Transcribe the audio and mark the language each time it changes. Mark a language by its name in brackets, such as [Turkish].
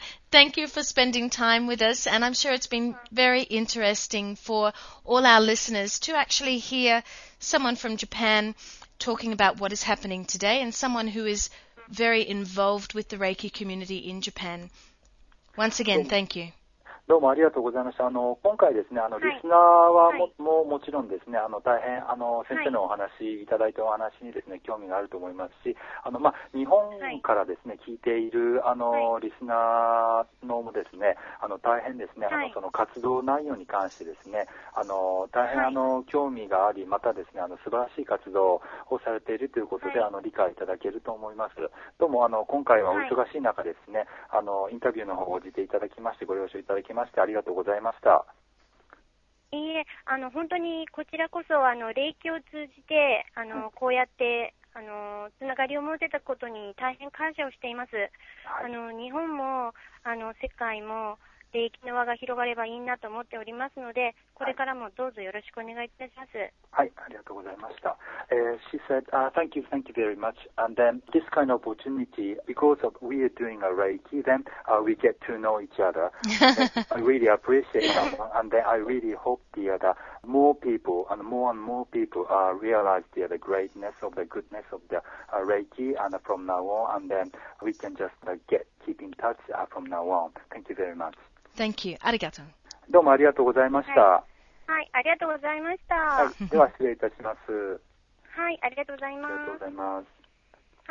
[English] Thank you for spending time with us, and I'm sure it's been very interesting for all our listeners to actually hear someone from Japan talking about what is happening today and someone who is very involved with the Reiki community in Japan. Once again, thank you. [Japanese] どうもありがとうございました。今回ですね、リスナーはもちろんですね、大変先生のお話、はい、いただいたお話にですね興味があると思いますし、まあ、日本からですね、はい、聞いているリスナーのもですね、大変ですね、その活動内容に関してですね、大変興味があり、またですね、素晴らしい活動をされているということで、はい、理解いただけると思います。どうも今回はお忙しい中ですね、はい、インタビューの方を応じていただきまして、ご了承いただきましてありがとうございました。いいえ、本当にこちらこそ霊気を通じてこうやってつながりを持てたことに大変感謝をしています。はい、日本も世界も霊気の輪が広がればいいなと思っておりますので、これからもどうぞよろしくお願いいたします。はい、はい、ありがとうございました。 [English] She said, thank you very much. And then this kind of opportunity, because of we are doing a Reiki, then we get to know each other. I really appreciate that. And then I really hope more and more people realize the greatness of the goodness of the Reiki and from now on. And then we can just keep in touch from now on. Thank you very much. Thank you. [Japanese] ありがとう。どうもありがとうございました。はい、はい、ありがとうございました。はい、では失礼いたします。はい、ありがとうございます。ありがとうございます。